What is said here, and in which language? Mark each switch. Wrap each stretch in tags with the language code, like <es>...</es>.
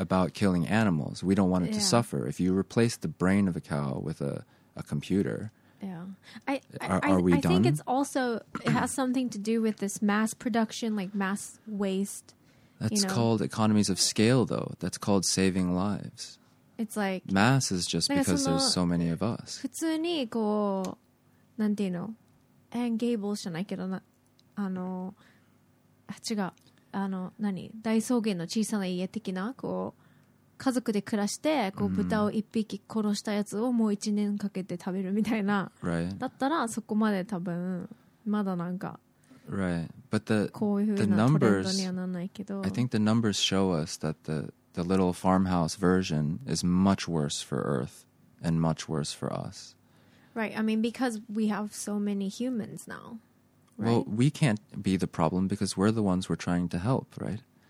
<en>About killing animals. We don't want it yeah. to suffer. If you replace the brain of a cow with a computer, yeah. Are we done? I think it's also, it has something to do with this mass production, like mass waste. That's you know? Called economies of scale, though. That's called saving lives. It's like... Mass is just because there's so many of us.</en> <ja>普通にこう、なんていうの?And Gable じゃないけど、あの、違う。あの何大草原の小さな家的なこう家族で暮らしてこう豚を一匹殺したやつをもう一年かけて食べるみたいな、</ja> <en>right.</en> <ja>だったらそこまで多分まだなんか、</ja> <en>right. But the,</en> <ja>こういうふうなトレンドにはならないけど</ja> <en>I think the numbers show us that the little farmhouse version is much worse for Earth and much worse for us. Right, I mean because we have so many humans now. Right? Well, we can't be the problem because we're the ones we're trying to help, right?</en>